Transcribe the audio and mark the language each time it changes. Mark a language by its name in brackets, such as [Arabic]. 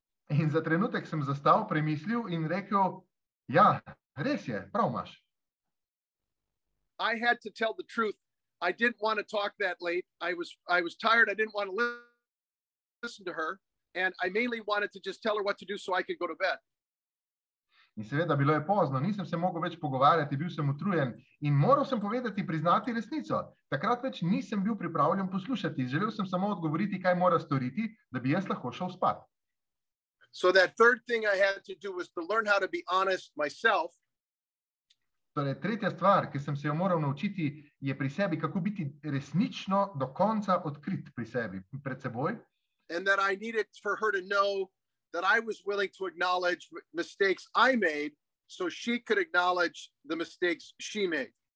[Slovenian] In za trenutek sem zastal, premislil in rekel, ja, res je, prav imaš. [English] I had to tell the truth. I didn't want to talk that late. I was tired. I didn't want to listen to her. And I mainly wanted to just tell her what to do so I could go to bed. [Slovenian] In seveda, bilo je pozno. Nisem se mogel več pogovarjati. Bil sem utrujen. In moral sem povedati, priznati resnico. Takrat več nisem bil pripravljen poslušati. Želel sem samo odgovoriti, kaj mora storiti, da bi jaz lahko šel spat. [English] So that third thing I had to do was to learn how to be honest myself. [Slovenian] Torej, tretja stvar, ki sem se jo moral naučiti, je pri sebi, kako biti resnično do konca odkrit pri sebi, pred seboj. [English] And that I needed for her to know that I was willing to acknowledge mistakes I made so she could acknowledge the mistakes she made.